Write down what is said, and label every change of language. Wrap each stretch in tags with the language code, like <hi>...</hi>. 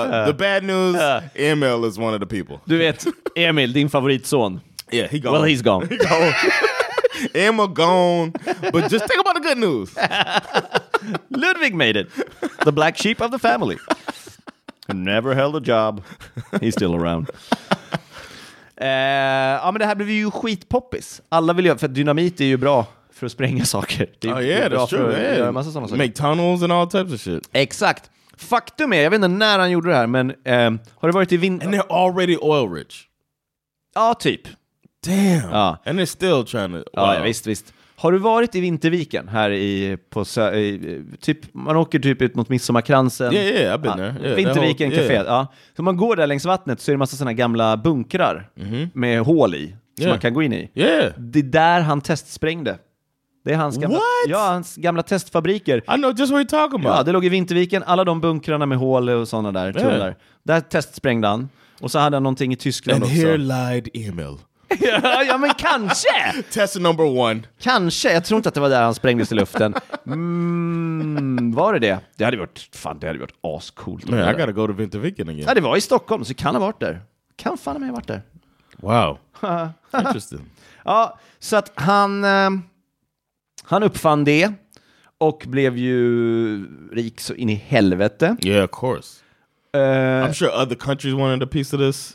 <en>The bad news, Emil is one of the people.</en> <sv>Du vet, Emil, din favoritson.</sv> <en>Yeah, he gone. Well, he's gone. He gone. Emil gone. But just think about the good news. Ludwig made it. The black sheep of the family. Never held a job. He's still around.</en> <sv>Ja, men det här blev ju skitpoppis. Alla vill ju, för dynamit är ju bra för att spränga saker. Det är,</sv> <en>oh yeah,</en> <sv>bra,</sv> <en>that's true.</en> <sv>För att, yeah, göra saker.</sv> <en>Make tunnels and all types of shit.</en> <sv>Exakt. Faktum är, jag vet inte när han gjorde det här, men har det varit i vind...</sv> <en>And they're already oil rich.</en> <sv>Ja, typ.</sv> <en>Damn. Ja. And they're still trying to... Wow.</en> <sv>Ja, visst, visst. Har du varit i Vinterviken här i, på, i typ, man åker typ ut mot Midsommarkransen?</sv> <en>Yeah, yeah, I've been there. Yeah, Vinterviken, whole, café, yeah. Ja.</en> <sv>Så man går där längs vattnet så är det en massa sådana gamla bunkrar med hål i som man kan gå in i.</sv> <en>Yeah.</en> <sv>Det är där han testsprängde. Det är hans gamla,</sv> <en>what?</en> <sv>Ja, hans gamla testfabriker.</sv> <en>I know just what you're talking about.</en> <sv>Ja, det låg i Vinterviken, alla de bunkrarna med hål och sådana där tullar. Där testsprängde han. Och så hade han någonting i Tyskland</sv> <en>and</en> <sv>också.</sv> <en>And here lied Emil.</en> <sv>Ja, men kanske.</sv> <en>Test number one.</en> <sv>Kanske, jag tror inte att det var där han sprängdes i luften. Mm, var det det? Det hade varit, fan, det hade varit ascoolt.</sv> <en>Man, I gotta go to Vinterviken again.</en> <sv>Ja, det var i Stockholm, så kan ha varit där. Kan fan ha varit där.</sv> <en>Wow, interesting.</en> <sv>Ja, så att han, han uppfann det. Och blev ju rik så in i helvete.</sv> <en>Yeah, of course. I'm sure other countries wanted a piece of this.</en>